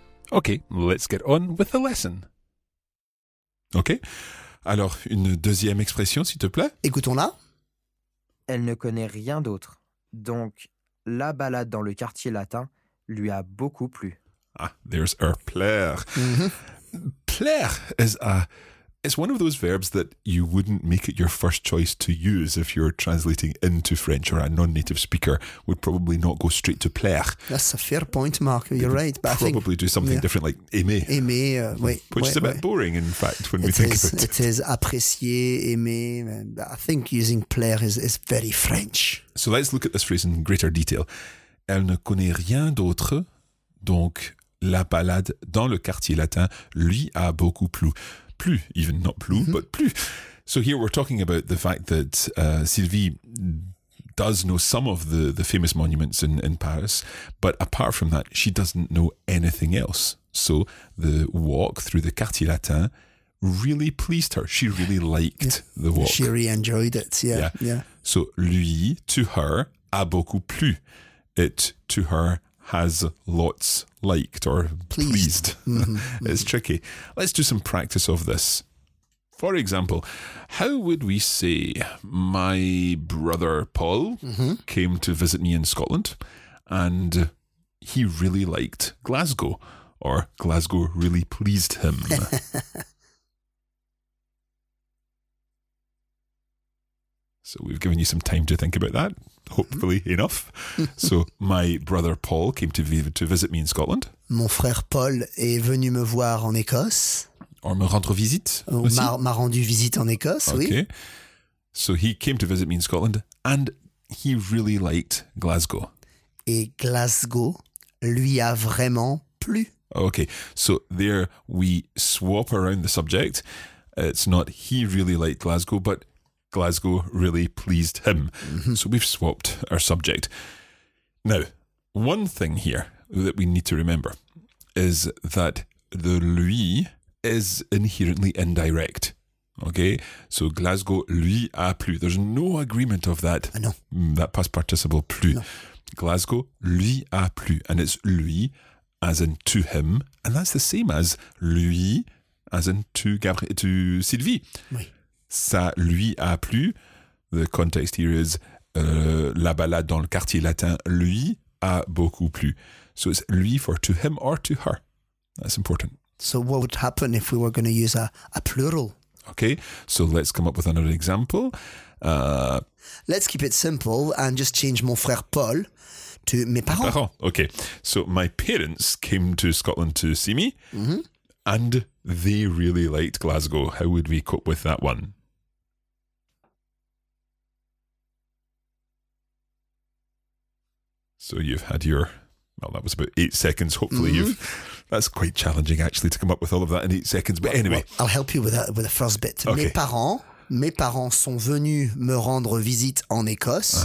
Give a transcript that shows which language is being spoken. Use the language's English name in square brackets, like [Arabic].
[English] Okay, let's get on with the lesson. [French] Okay, alors une deuxième expression, s'il te plaît. Écoutons-la. Elle ne connaît rien d'autre. Donc, la balade dans le quartier latin lui a beaucoup plu. [English] Ah, there's her plaire. Mm-hmm. Plaire is a... It's one of those verbs that you wouldn't make it your first choice to use if you're translating into French, or a non-native speaker would probably not go straight to plaire. That's a fair point, Mark. You're right. But probably do something different like aimer. Aimer, wait. Which is a bit boring, in fact, when we think about it. It is apprécier, aimer. I think using plaire is very French. So let's look at this phrase in greater detail. [French] Elle ne connaît rien d'autre, donc la balade dans le quartier latin lui a beaucoup plu. Plus, even not plus, mm-hmm. but plus. [English] So here we're talking about the fact that Sylvie does know some of the famous monuments in Paris, but apart from that, she doesn't know anything else. So the walk through the Quartier Latin really pleased her. She really liked the walk. She really enjoyed it, yeah. So lui, to her, [French] a beaucoup plu. [English] It, to her, has lots liked or pleased. Mm-hmm. It's tricky. Let's do some practice of this. For example, how would we say my brother Paul came to visit me in Scotland and he really liked Glasgow, or Glasgow really pleased him? So we've given you some time to think about that, hopefully enough. So my brother Paul came to visit me in Scotland. [French] Mon frère Paul est venu me voir en Écosse. Or me rendre visite aussi. M'a rendu visite en Écosse, [English] okay. [French] Oui. [English] Okay. So he came to visit me in Scotland and he really liked Glasgow. [French] Et Glasgow lui a vraiment plu. [English] Okay, so there we swap around the subject. It's not he really liked Glasgow, but Glasgow really pleased him. Mm-hmm. So we've swapped our subject. Now, one thing here that we need to remember is that the lui is inherently indirect. Okay, so [French] Glasgow lui a plu. [English] There's no agreement of that. No. That past participle plu. No. [French] Glasgow lui a plu. [English] And it's lui as in to him. And that's the same as lui as in to Gabriel, to Sylvie. [French] Oui. Ça lui a plu. [English] The context here is [French] la balade dans le quartier latin lui a beaucoup plu. [English] So it's lui for to him or to her. That's important. So what would happen if we were going to use a plural? Okay, so let's come up with another example. Let's keep it simple and just change mon frère Paul to [French] mes parents. Mes parents. [English] Okay, so my parents came to Scotland to see me. Mm-hmm. And they really liked Glasgow. How would we cope with that one? So you've had your... Well, that was about 8 seconds. Hopefully mm-hmm. you've... That's quite challenging, actually, to come up with all of that in 8 seconds. But anyway... Well, I'll help you with the first bit. Okay. [French] Mes parents sont venus me rendre visite en Écosse.